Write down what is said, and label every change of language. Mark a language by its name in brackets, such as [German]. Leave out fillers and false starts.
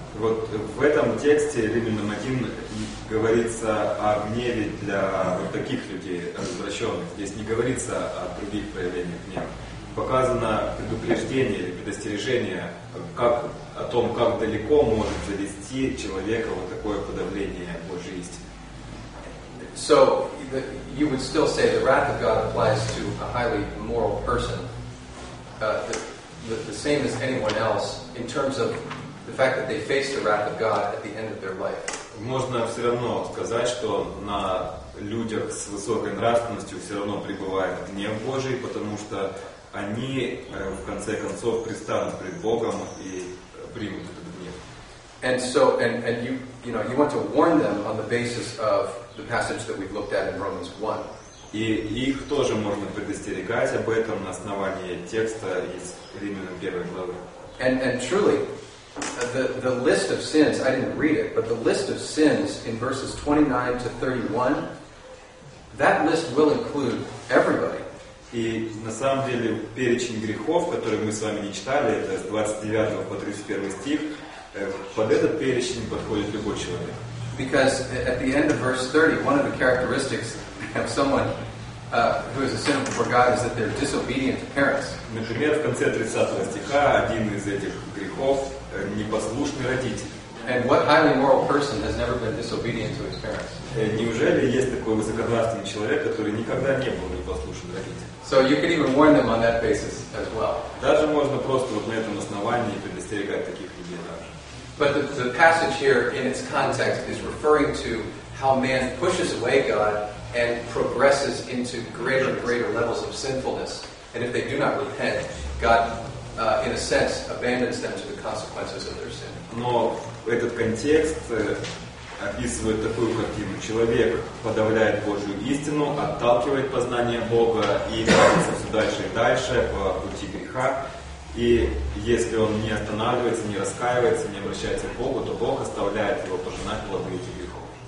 [Russian] Вот в этом тексте Римлянам 1 говорится о гневе для вот таких людей, развращенных. Здесь не говорится о других проявлениях гнева. Показано предупреждение или предостережение о том, как далеко может завести человека вот такое подавление Божьей истины. [English] So you would still say the wrath of God applies to a highly moral person. The same as anyone else in terms of the fact that they face the wrath of God at the end of their life. [Russian] Можно все равно сказать, что на людях с высокой нравственностью все равно пребывает гнев Божий, потому что они в конце концов предстанут пред Богом и примут этот гнев. [English] And so, and you want to warn them on the basis of the passage that we've looked at in Romans 1. [Russian] И их тоже можно предостерегать об этом на основании текста из Римлянам 1 главы. [English] And truly, the list of sins, I didn't read it, but the list of sins in verses 29-31 That list will include everybody. [Russian] И на самом деле перечень грехов, который мы с вами не читали, это с 29 по 31 стих, под этот перечень подходит любой человек. [English] Because at the end of verse 30, one of the characteristics of someone who is a sinner before God is that they're disobedient to parents. [Russian] Например, в конце 30 стиха один из этих грехов непослушный родитель. [English] And what highly moral person has never been disobedient to his parents? [Russian] Неужели есть такой высокодравственный человек, который никогда не был непослушным родителем? [English] So you can even warn them on that basis as well. [Russian] Даже можно просто вот на этом основании предостерегать таких людей даже. [English] But the passage here in its context is referring to how man pushes away God and progresses into greater and greater levels of sinfulness. And if they do not repent, God, in a sense, abandons them to the consequences of their sin. [Russian] Но этот контекст описывает такую картину. Человек подавляет Божью истину, отталкивает познание Бога и двигается все дальше и дальше по пути греха. И если он не останавливается, не раскаивается, не обращается к Богу, то Бог оставляет его пожинать плоды этих грехов.